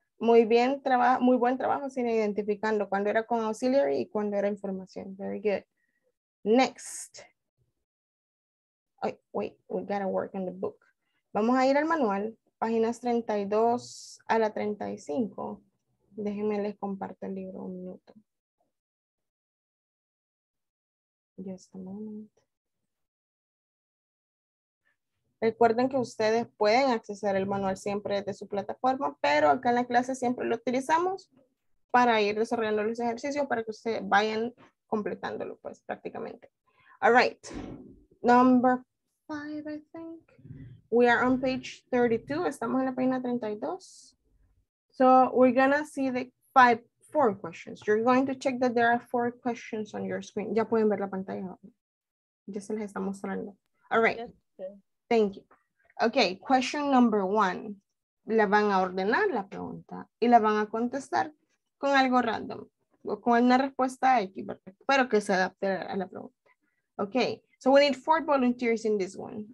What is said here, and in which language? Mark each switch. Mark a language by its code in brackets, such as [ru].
[es] Muy bien, muy buen trabajo sin identificando cuando era con auxiliary y cuando era información. [en] Very good. Next. Oh, wait, we gotta work on the book. [es] Vamos a ir al manual. Páginas 32 a la 35. Déjenme les comparto el libro un minuto. [en] Just a moment. [es] Recuerden que ustedes pueden acceder el manual siempre desde su plataforma, pero acá en la clase siempre lo utilizamos para ir desarrollando los ejercicios para que ustedes vayan completándolo, pues, prácticamente. [en] All right. Number 5, I think. We are on page 32. [es] Estamos en la página 32. [en] So we're gonna see the four questions. You're going to check that there are four questions on your screen. [es] Ya pueden ver la pantalla. Ya se les está mostrando. [en] All right. Thank you. Okay, question number one. [es] La van a ordenar la pregunta y la van a contestar con algo random. O con una respuesta X, pero que se adapte a la pregunta. [en] Okay, so we need four volunteers in this one.